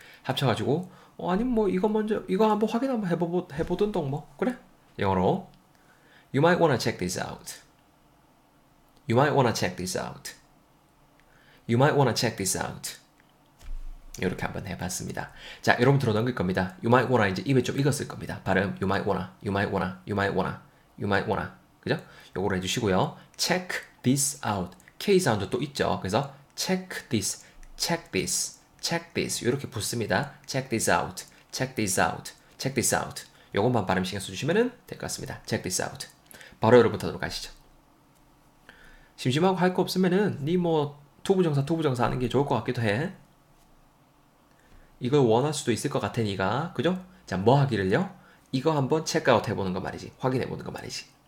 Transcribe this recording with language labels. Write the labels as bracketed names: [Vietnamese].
[Korean] 합쳐가지고, 아니면 뭐 이거 먼저, 이거 한번 확인 한번 해보든동 뭐. 그래? 영어로. [English] You might wanna check this out. You might wanna check this out. You might wanna check this out. [Korean] 이렇게 한번 해봤습니다. 자, 여러분 들어 넘길 겁니다. [English] You might wanna [Korean] 이제 입에 좀 익었을 겁니다. 발음 [English] you might wanna, you might wanna, you might wanna, you might wanna, [Korean] 그죠? 요거를 해주시고요. [English] Check this out. [Korean] K 사운드 또 있죠? 그래서 [English] check this, check this, check this [Korean] 이렇게 붙습니다. [English] Check this out, check this out, check this out. [Korean] 요것만 발음 신경 써주시면 될것 같습니다. [English] Check this out. [Korean] 바로 여러분 타도록 하시죠. 심심하고 할거 없으면은 니뭐 투부정사 하는 게 좋을 것 같기도 해. 이걸 원할 수도 있을 것 같아, 니가. 그죠? 자, 뭐 하기를요? 이거 한번 체크아웃 해보는 거 말이지. 확인해 보는 거 말이지.